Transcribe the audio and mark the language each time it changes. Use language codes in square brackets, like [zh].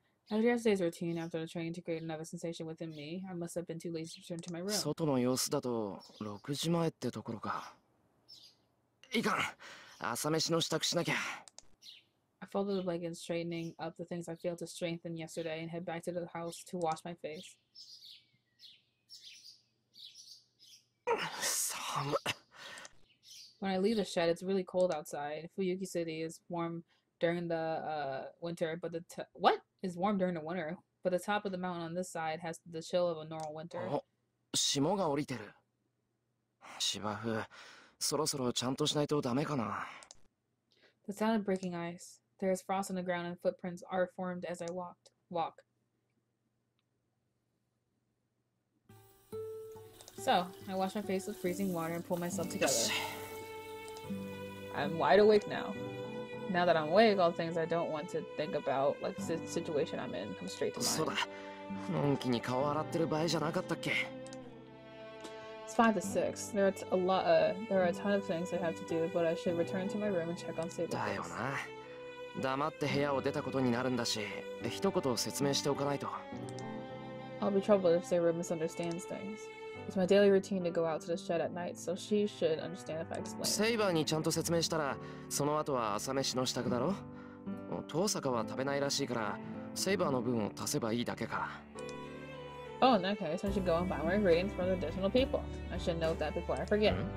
[en] After yesterday's routine, after the training to create another sensation within me, I must have been too lazy to return to my room. [ja] 外の様子だと六時前ってところか。いかん。朝飯の支度しなきゃ。 [en] I folded the blanket, straightening up the things I failed to strengthen yesterday, and head back to the house to wash my face. [ja] 寒い。 [en] When I leave the shed, it's really cold outside. Fuyuki City is warm during the winter, but the what is warm during the winter? But the top of the mountain on this side has the chill of a normal winter. [ja] 霜が降りてる。芝生。そろそろちゃんとしないとダメかな。 [en] The sound of breaking ice. There is frost on the ground and footprints are formed as I walk. So, I wash my face with freezing water and pull myself together. I'm wide awake now. Now that I'm awake, all things I don't want to think about, like the situation I'm in, come straight to mind. [ja] そうだ。のんきに顔洗ってる場合じゃなかったっけ。 [en] It's 5 to 6. There are a ton of things I have to do, but I should return to my room and check on Sable. [ja] だよな。黙って部屋を出たことになるんだし、一言説明しておかないと。 [en] I'll be troubled if Sable misunderstands things. It's my daily routine to go out to the shed at night, so she should understand if I explain. [ja] Sable にちゃんと説明したら、その後は朝飯の支度だろ。遠坂は食べないらしいから、Sable の分を足せばいいだけか。 [en] Oh, okay. So I should go and buy my ingredients for the additional people. I should note that before I forget.